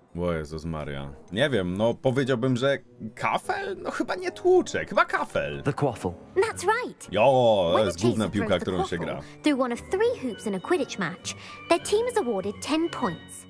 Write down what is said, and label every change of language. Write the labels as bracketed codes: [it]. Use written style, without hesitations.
[pl] O Jezus Maria. Nie wiem, no powiedziałbym, że kafel? No chyba nie tłuczek, chyba kafel. [en] The quaffle. That's right. [pl] Jo, to jest główna piłka, którą się gra. [en] Through one of three hoops in a Quidditch match, their team is awarded 10 points.